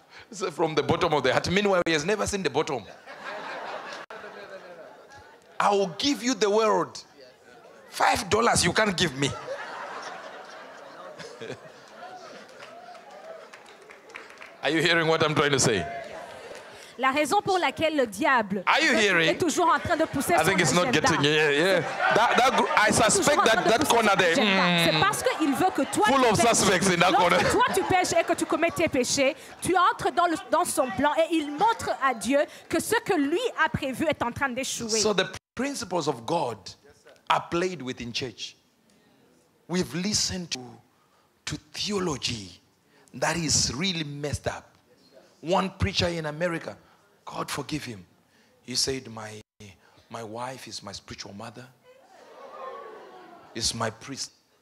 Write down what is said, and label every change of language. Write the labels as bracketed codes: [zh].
[en] So from the bottom of the heart. Meanwhile, he has never seen the bottom. I will give you the world. $5 you can't give me. Are you hearing what I'm trying to say? [fr] La raison pour laquelle le diable est toujours en train de pousser son [en] agenda. I think it's not getting here. Yeah. I suspect that corner there. [fr] C'est parce qu'il veut que toi [en] full of suspects in that corner. [fr] Toi tu pèches et que tu commets tes péchés, tu entres dans son plan et il montre à Dieu que ce que lui a prévu est en train d'échouer. [en] So the principles of God are played within church. We've listened to theology that is really messed up. One preacher in America, God forgive him, he said, my wife is my spiritual mother, is my priest.